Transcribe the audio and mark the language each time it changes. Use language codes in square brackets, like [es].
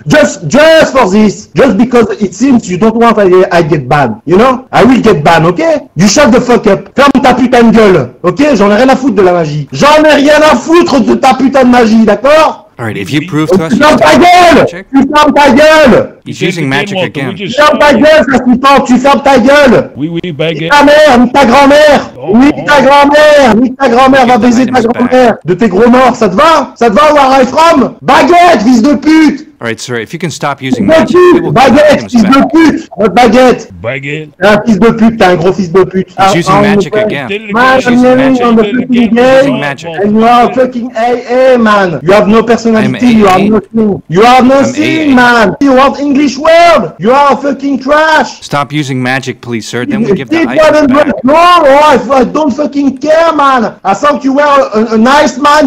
[en] Just for this. Just because it seems you don't want I get banned, you know? I will get banned, okay? You shut the fuck up. [fr] Ferme ta putain de gueule, [en] okay? [fr] J'en ai rien à foutre de la magie. J'en ai rien à foutre de ta putain de magie, d'accord? [en] Alright, if you prove to us. [fr] You ferme ta gueule! [en] He's using magic again. [fr] Ferme ta gueule! Oui, baguette. Ta grand-mère! Ni ta grand-mère! Va baiser ta grand-mère! De tes gros morts, ça te va? Ça te va, [en] where I from? [fr] Baguette, fils de pute! [en] Alright, sir, if you can stop using magic. [fr] Baguette, fils de pute! Votre baguette! Baguette? T'es un fils de pute, t'es un gros fils de pute. [en] He's using magic again. Man, I'm on the fucking game. And you are fucking AA, man. You have no personality, you are nothing. You are nothing, man. You want English word. You are fucking trash. Stop using magic, please, sir. Then we give the item back. No, I don't fucking care, man. I thought you were a nice man.